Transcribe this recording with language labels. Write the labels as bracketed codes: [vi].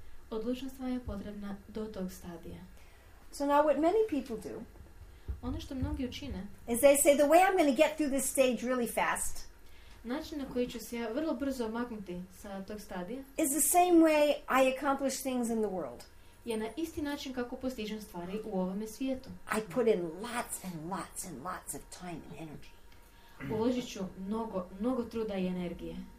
[hr] Odlučnost vam je potrebna do tog stadija. [en] So now what many people do, [hr] ono što mnogi učine, [en] is they say the way I'm going to get through this stage really fast, [hr] način na koji ću se ja vrlo brzo maknuti sa tog stadija [en] is the same way I accomplish things in the world. [hr] Je na isti način kako postižem stvari u ovome svijetu. [en] I put in lots and lots and lots of time and energy. [hr] Uložit ću mnogo, mnogo truda i energije.